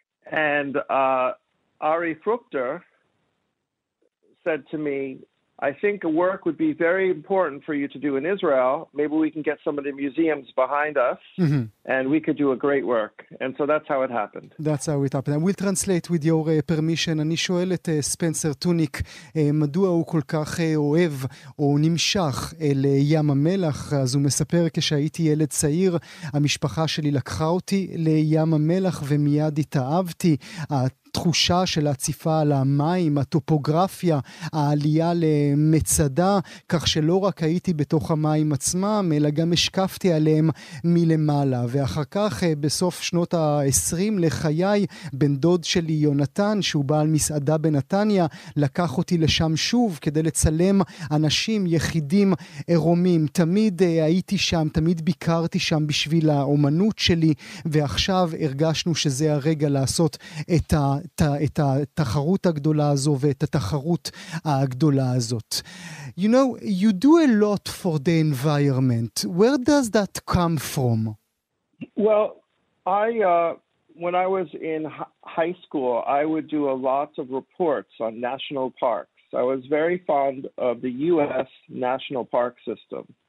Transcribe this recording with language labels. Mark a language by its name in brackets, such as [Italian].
[English] And Ari Fruchter said to me, I think a work would be very important for you to do in Israel. Maybe we can get some of the museums behind us, mm-hmm. and we could do a great work. And so that's how it happened. That's how it happened. I will translate with your permission. [Hebrew] אני שואל את ספנסר טוניק, מדוע הוא כל כך אוהב או נמשך אל ים המלח? אז הוא מספר, כשהייתי ילד צעיר, המשפחה שלי לקחה אותי לים המלח ומיד התאהבתי. התחושה של הציפה על המים, הטופוגרפיה, העלייה למצדה, כך שלא רק הייתי בתוך המים עצמם, אלא גם השקפתי עליהם מלמעלה. ואחר כך, בסוף שנות ה-20 לחיי, בן דוד שלי יונתן, שהוא בעל מסעדה בנתניה, לקח אותי לשם שוב כדי לצלם אנשים יחידים עירומים. תמיד הייתי שם, תמיד ביקרתי שם בשביל האומנות שלי, ועכשיו הרגשנו שזה הרגע לעשות את ה... את התחרות הגדולה הזו ואת התחרות הגדולה הזאת. [English] You know, you do a lot for the environment. Where does that come from? Well, I when I was in high school, I would do a lot of reports on national parks. I was very fond of the US national park system.